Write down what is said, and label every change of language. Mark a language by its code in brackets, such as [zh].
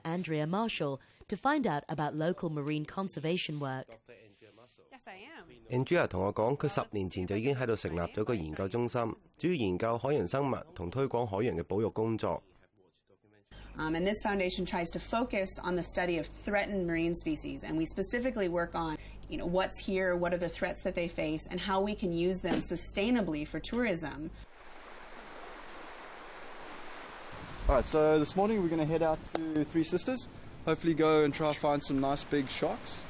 [en] Andrea Marshall to find out about local marine conservation work. [yue] Andrea 同我講，佢10年前就已經喺度成立咗個研究中心，主要研究海洋生物同推廣海洋嘅保育工作。 [en] And this foundation tries to focus on the study of threatened marine species, and we specifically work on, you know, what's here, what are the threats that they face, and how we can use them sustainably for tourism. All right, so this morning we're going to head out to Three Sisters, hopefully go and try to find some nice big sharks.